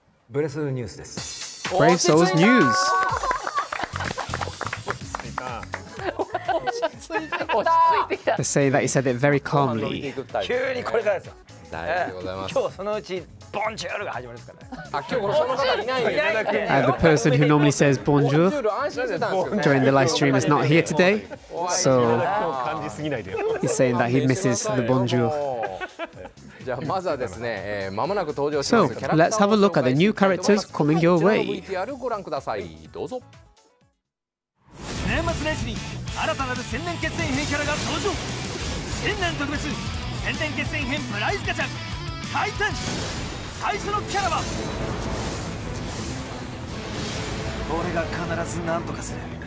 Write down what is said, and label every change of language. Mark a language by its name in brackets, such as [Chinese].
[Japanese] ブレスニュースです。ブレスソーズニュース。落ち着いてきた。 [English] Say that he said it very calmly. [Japanese] 急にこれからですよ。大変でございます。今日そのうちボンジュールが始まるんですからね。あ、今日その方いないよ。 [English] The person who normally says bonjour during the live stream is not here today. So he's saying that he misses the bonjour. [Japanese] じゃあまずはですね、まもなく登場します。 [English] So let's have a look at the new characters coming your way. [Japanese] VTR ご覧ください。どうぞ。年末年始に新たなる千年決戦編キャラが登場。千年特別千年決戦編プライズガチャ開戦。最初のキャラは俺が必ず何とかする。